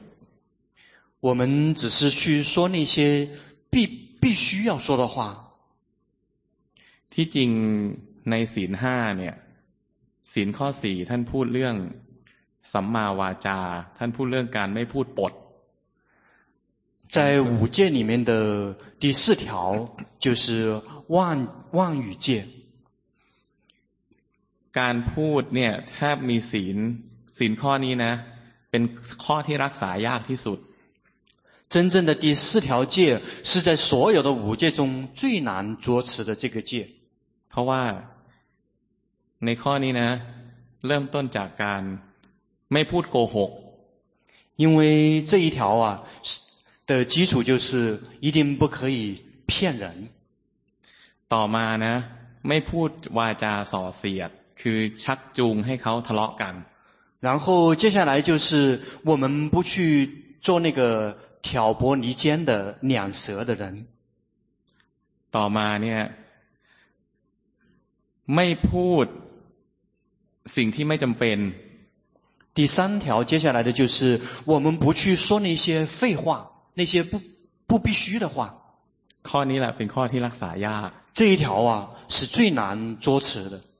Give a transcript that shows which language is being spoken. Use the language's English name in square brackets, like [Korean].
[Chinese] 我们只是去说那些必须要说的话 [Thai] ที่จริงในศีล5เนี่ยศีลข้อ4ท่านพูดเรื่องสัมมาวาจาท่านพูดเรื่องการไม่พูดปด [Chinese] 在五戒里面的第四条就是妄语戒 [Thai] การพูดเนี่ยถ้ามีศีลข้อนี้นะเป็นข้อที่รักษายากที่สุด [Chinese] 真正的第四条戒是在所有的五戒中最难捉持的这个戒 [Thai] เพราะว่าในข้อนี้นะเริ่มต้นจากการไม่พูดโกหก [Chinese] 因为这一条啊的基础就是一定不可以骗人 [Thai] ต่อมานะไม่พูดวาจาส่อเสียดคือชักจูงให้เขาทะเลาะกัน [Chinese] 然后接下来就是我们不去做那个挑拨离间的两舌的人 [Thai] ต่อมาเนี่ยไม่พูดสิ่งที่ไม่จำเป็น [Chinese] 第三条接下来的就是我们不去说那些废话那些不必须的话 [Thai] ข้อนี้แหละเป็นข้อที่รักษายาก [Chinese] 这一条啊是最难捉持的